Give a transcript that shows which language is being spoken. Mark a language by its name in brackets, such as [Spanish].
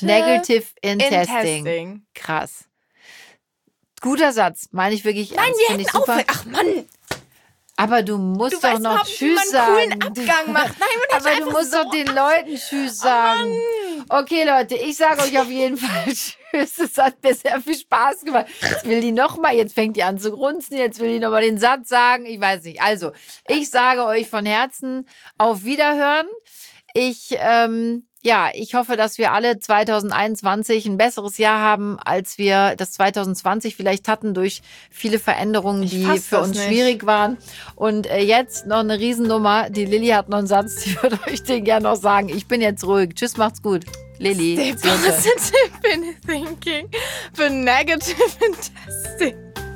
[English] Stay positive in thinking, but negative in testing. [German] Krass. Guter Satz. Meine ich wirklich ernst. Nein, wir hätten aufhören. Ach, Mann. Aber du musst doch noch Tschüss sagen. Du weißt überhaupt nicht, wie man einen coolen Abgang macht. Nein, man aber du musst so doch den Leuten Tschüss sagen. Oh, okay, Leute, ich sage euch auf jeden Fall Tschüss. Es hat mir sehr viel Spaß gemacht. Jetzt will die noch mal, jetzt fängt die an zu grunzen. Jetzt will die noch mal den Satz sagen. Ich weiß nicht. Also, ich sage euch von Herzen auf Wiederhören. Ich hoffe, dass wir alle 2021 ein besseres Jahr haben, als wir das 2020 vielleicht hatten durch viele Veränderungen, die für uns schwierig waren. Und jetzt noch eine Riesennummer. Die Lilly hat noch einen Satz, die würde euch den gerne noch sagen. Ich bin jetzt ruhig. Tschüss, macht's gut. Lilly. [English] Stay positive in thinking, but negative in testing.